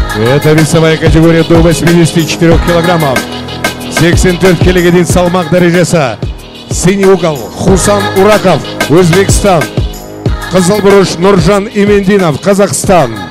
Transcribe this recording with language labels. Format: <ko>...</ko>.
<ru>Это весовая категория до 84 килограммов.</ru> <kk>84 келіге дейін салмақ дәрежесі.</kk> <ru>Синий угол, Хусан Ураков, Өзбекстан.</ru> <kk>Қызыл бұрыш, Нуржан Имендинов, Қазақстан.</kk>